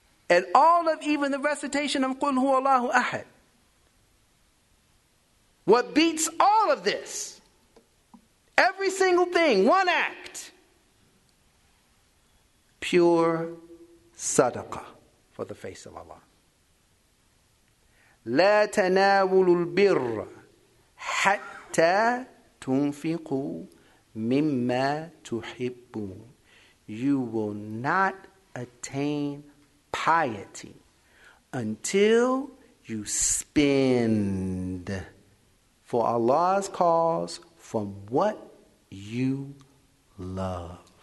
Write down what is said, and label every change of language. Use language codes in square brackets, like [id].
[en] and all of even the recitation of Qul Huwa Allahu Ahad. What beats all of this, every single thing, one act, pure sadaqah for the face of Allah. [ar] لا تناولوا البر حتى تنفقوا مما تحبون. [en] You will not attain piety until you spend for Allah's cause from what you love.